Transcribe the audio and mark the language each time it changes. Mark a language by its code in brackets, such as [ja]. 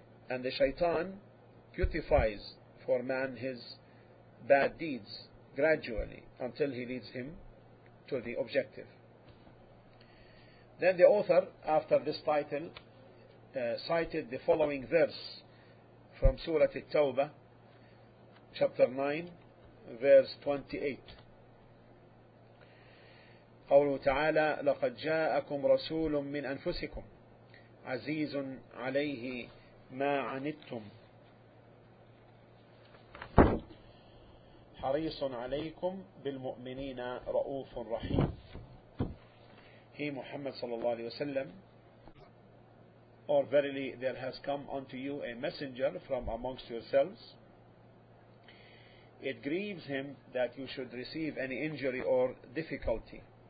[en] And the shaitan beautifies for man his bad deeds gradually until he leads him to the objective. Then the author, after this title, cited the following verse from Surah At-Tawbah, chapter 9, verse 28. [ar] قوله تعالى لقد جاءكم رسول من أنفسكم عزيز عليه ما عنتم حريص عليكم بالمؤمنين رؤوف رحيم. [en] He, Muhammad sallallahu alayhi wa sallam, or verily there has come unto you a messenger from amongst yourselves. It grieves him that you should receive any injury or difficulty.